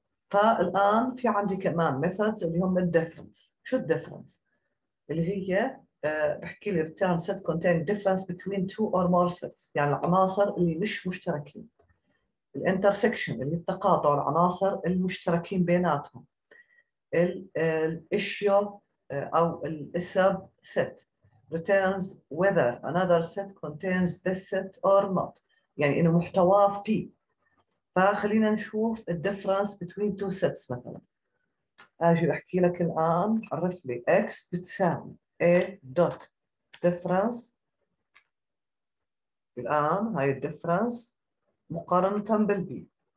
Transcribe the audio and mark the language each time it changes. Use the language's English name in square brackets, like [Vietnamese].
[Arabic] فالان في عندي كمان ميثودز اللي هم الديفرنس. شو الديفرنس؟ اللي هي بحكي لي [English] return set contain difference between two or more sets، [Arabic] يعني العناصر اللي مش مشتركين. ال intersection اللي التقاطع العناصر المشتركين بيناتهم. [English] ال issue أو ال sub set returns whether another set contains this set or not، [Arabic] يعني إنه محتواه فيه. فخلينا نشوف ال difference between two sets مثلا. أجي بحكي لك الآن عرف لي X بتساوي A dot difference الآن هاي الديفرنس مقارنة بالبي.